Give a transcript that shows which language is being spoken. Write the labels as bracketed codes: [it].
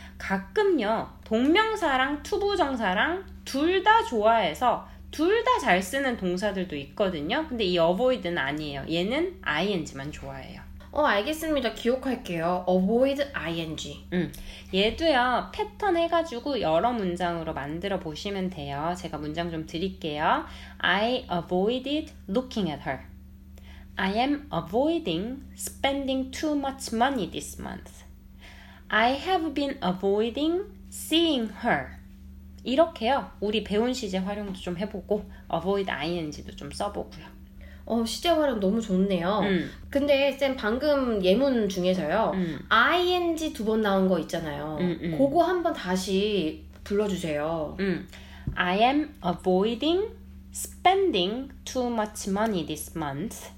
[ko] 가끔요, 동명사랑 to 부정사랑 둘 다 좋아해서 둘 다 잘 쓰는 동사들도 있거든요. 근데 이 avoid는 아니에요. 얘는 ing만 좋아해요. 알겠습니다. 기억할게요. avoid ing. 얘도요. 패턴 해가지고 여러 문장으로 만들어 보시면 돼요. 제가 문장 좀 드릴게요. [en] I avoided looking at her. I am avoiding spending too much money this month. I have been avoiding seeing her. [ko] 이렇게요. 우리 배운 시제 활용도 좀 해보고 avoid ing도 좀 써보고요. 시제 활용 너무 좋네요. 근데 쌤 방금 예문 중에서요. ing 두 번 나온 거 있잖아요. 그거 한번 다시 불러주세요. [en] I am avoiding spending too much money this month.